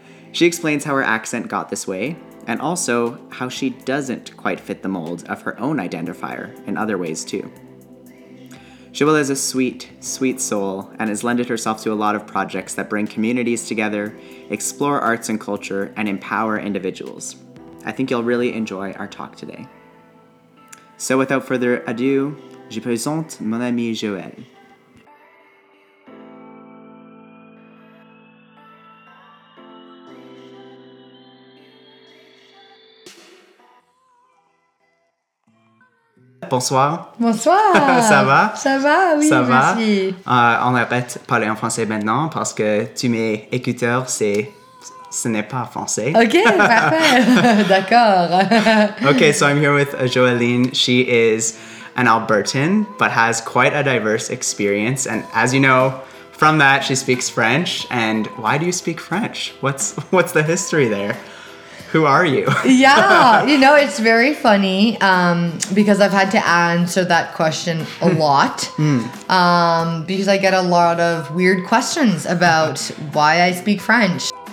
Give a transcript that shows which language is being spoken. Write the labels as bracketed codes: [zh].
[en] She explains how her accent got this way, and also how she doesn't quite fit the mold of her own identifier in other ways too. Joelle is a sweet, sweet soul, and has lended herself to a lot of projects that bring communities together, explore arts and culture, and empower individuals. I think you'll really enjoy our talk today. So without further ado, [fr] je présente mon ami [en] Joelle. [fr] Bonsoir. Bonsoir. Ça va? Ça va, oui, ça va. Merci. On arrête de parler en français maintenant parce que tu mets écouteurs, ce n'est pas français. OK, parfait. D'accord. [en] OK, so I'm here with Joelline. She is an Albertan, but has quite a diverse experience. And as you know, from that, she speaks French. And why do you speak French? What's the history there? Who are you? Yeah, you know, it's very funny because I've had to answer that question a lot because I get a lot of weird questions about why I speak French.